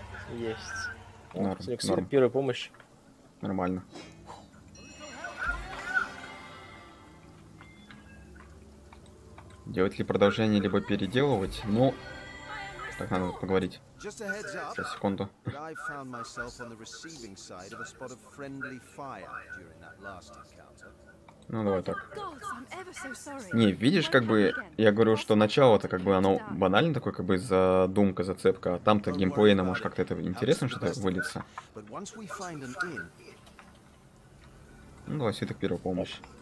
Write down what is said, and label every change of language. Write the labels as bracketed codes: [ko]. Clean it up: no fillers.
[ru] Есть. Норм. Первая помощь. Нормально. Делать ли продолжение, либо переделывать? Ну, так надо поговорить. Сейчас, секунду. [en] I found myself on the receiving side of a spot of friendly fire during that last encounter. [ru] Ну, давай так. Не, видишь, как бы, я говорю, что начало-то, как бы, оно банально такое, как бы, задумка, зацепка, а там-то геймплейно, может, как-то это интересно, что-то вылиться. Ну, давай, свиток первой помощи.